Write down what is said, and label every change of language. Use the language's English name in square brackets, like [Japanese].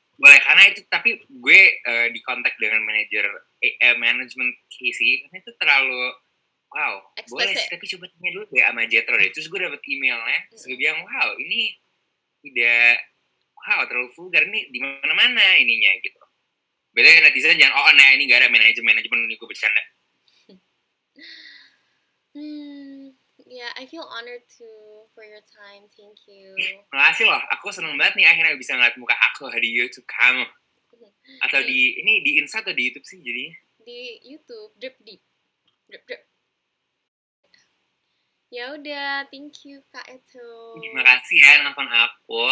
[Indonesian] Boleh, karena itu, tapi gue di kontak dengan manajer management Casey, karena itu terlalu, wow, boleh sih, tapi coba tanya dulu deh sama Jethro deh. Terus gue dapet emailnya, terus gue bilang, wow, ini tidak, wow, terlalu vulgar, ini di mana-mana ininya, gitu. Beda ya netizen, jangan, oh, nah, ini gak ada manajemen, ini gue bercanda. [English] Yeah, I feel honored to for your time. Thank you. [Indonesian] Makasih loh. Aku seneng banget nih akhirnya bisa ngeliat muka aku di YouTube kamu. Atau di ini di Insta atau di YouTube sih jadinya? Di YouTube, drip deep. Drip drip. Ya udah, [English] thank you [Indonesian] Kak Eto. Terima kasih ya nonton aku.